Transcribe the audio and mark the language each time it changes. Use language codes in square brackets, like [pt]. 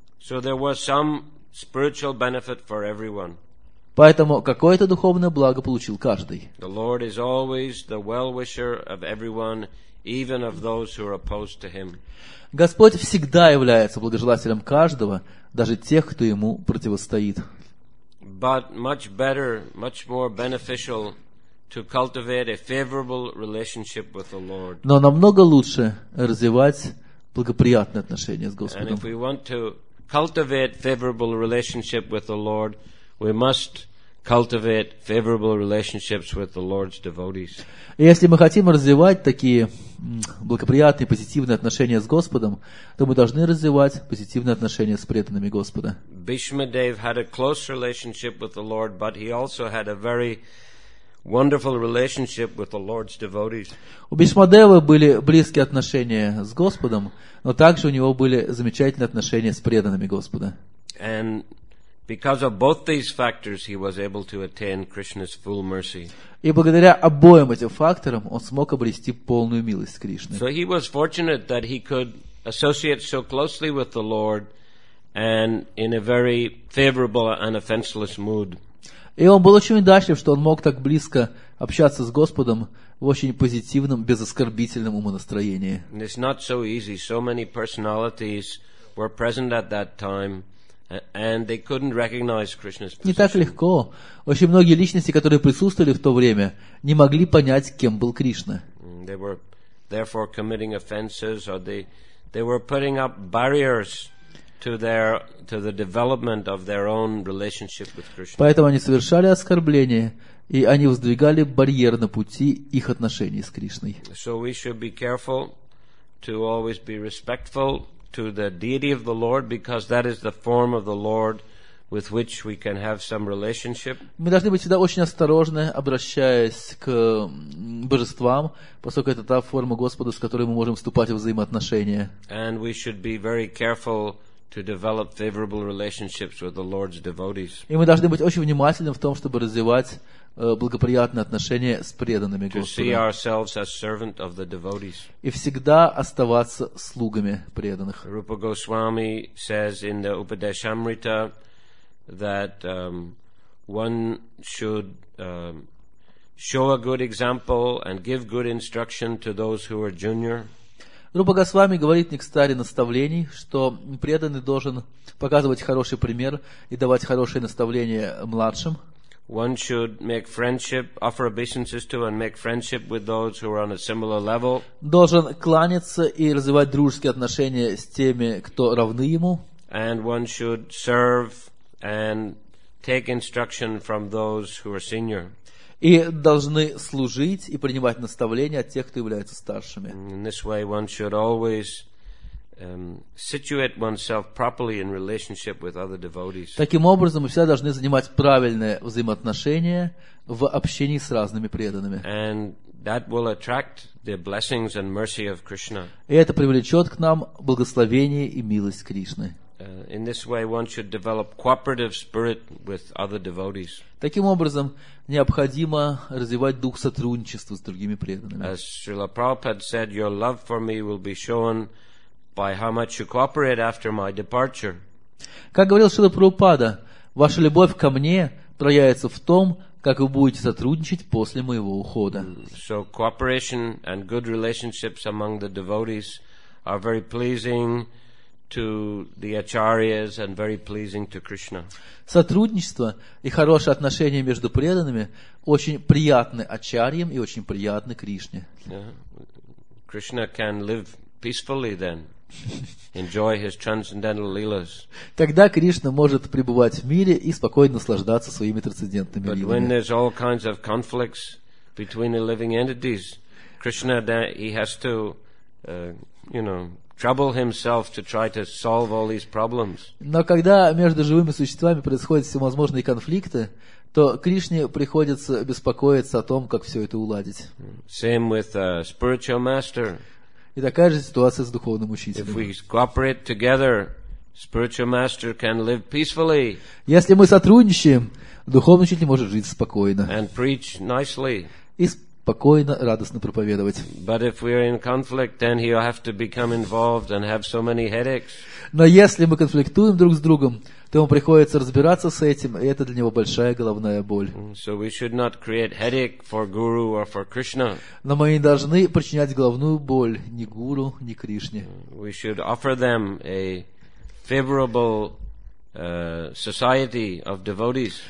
[en] So there was some spiritual benefit for everyone. [ru] Поэтому какое-то духовное благо получил каждый. [en] The Lord is always the well-wisher of everyone, even of those who are opposed to him. [ru] Господь всегда является благожелателем каждого, даже тех, кто ему противостоит. [en] But much better, much more beneficial to cultivate a favorable relationship with the Lord. [ru] Но намного лучше развивать благоприятные отношения с Господом. [en] And if we want to cultivate favorable relationship with the Lord, we must cultivate favorable relationships with the Lord's devotees. [ru] Если мы хотим развивать такие благоприятные, позитивные отношения с Господом, то мы должны развивать позитивные отношения с преданными Господа. [en] Bhishma Dev had a close relationship with the Lord, but he also had a very wonderful relationship with the Lord's devotees. [ru] У Бхишма Девы были близкие отношения с Господом, но также у него были замечательные отношения с преданными Господа. [en] And because of both these factors, he was able to attain Krishna's full mercy. [ru] И благодаря обоим этим факторам он смог обрести полную милость Кришны. [en] So he was fortunate that he could associate so closely with the Lord and in a very favorable and offenseless mood. [ru] И он был очень удачлив, что он мог так близко общаться с Господом в очень позитивном, безоскорбительном умонастроении. [en] And it's not so easy. So many personalities were present at that time. And they couldn't recognize Krishna's position. [ru] Не так легко. Очень многие личности, которые присутствовали в то время, не могли понять, кем был Кришна. [en] They were therefore committing offenses, or they were putting up barriers to the development of their own relationship with Krishna. [ru] Поэтому они совершали оскорбления, и они воздвигали барьер на пути их отношений с Кришной. [en] So we should be careful to always be respectful to the deity of the Lord, because that is the form of the Lord with which we can have some relationship. [ru] Мы должны быть всегда очень осторожны, обращаясь к божествам, поскольку это та форма Господа, с которой мы можем вступать в взаимоотношения. [en] And we should be very careful to develop favorable relationships with the Lord's devotees. [ru] И мы должны быть очень внимательны в том, чтобы развивать благоприятные отношения с преданными Господу. [en] To see ourselves as servant of the devotees. [ru] И всегда оставаться слугами преданных. [en] Rupa Goswami says in the Upadeshamrita that one should show a good example and give good instruction to those who are junior. [ru] Рупа Госвами говорит в Нектаре наставлений, что преданный должен показывать хороший пример и давать хорошие наставления младшим. [en] One should make friendship, offer obeisances to and make friendship with those who are on a similar level. [ru] Должен кланяться и развивать дружеские отношения с теми, кто равны ему. [en] And one should serve and take instruction from those who are senior. [ru] И должны служить и принимать наставления от тех, кто является старшими. [en] In this way one should always situate oneself properly in relationship with other devotees. [ru] Таким образом, мы всегда должны занимать правильное взаимоотношение в общении с разными преданными. [en] And that will attract the blessings and mercy of Krishna. [ru] И это привлечет к нам благословение и милость Кришны. [en] In this way, one should develop cooperative spirit with other devotees. [ru] Таким образом, необходимо развивать дух сотрудничества с другими преданными. [en] As Srila Prabhupada said, your love for me will be shown by how much you cooperate after my departure. [ru] Как говорил Шрила Прабхупада, ваша любовь ко мне проявится в том, как вы будете сотрудничать после моего ухода. [en] So cooperation and good relationships among the devotees are very pleasing to the acharyas and very pleasing to Krishna. [ru] Сотрудничество и хорошие отношения между преданными очень приятны ачарьям и очень приятны Кришне. [en] Yeah. Krishna can live peacefully then. Enjoy his transcendental lilas. [ru] Тогда Кришна может пребывать в мире и спокойно наслаждаться своими трансцендентными лилами. [en] But when there's all kinds of conflicts between the living entities, Krishna, he has to, trouble himself to try to solve all these problems. [ru] Но когда между живыми существами происходят всевозможные конфликты, то Кришне приходится беспокоиться о том, как все это уладить. [en] Same with a spiritual master. [ru] И такая же ситуация с духовным учителем. [en] If we cooperate together, spiritual master can live peacefully. [ru] Если мы сотрудничаем, духовный учитель может жить спокойно. [en] And preach nicely. [ru] И спокойно, радостно проповедовать. [en] But if we are in conflict, then he'll have to become involved and have so many headaches. [ru] Но если мы конфликтуем друг с другом, то ему приходится разбираться с этим, и это для него большая головная боль. [en] So we should not create headache for Guru or for Krishna. [ru] Но мы не должны причинять головную боль ни Гуру, ни Кришне. [en] We should offer them a favorable society of devotees.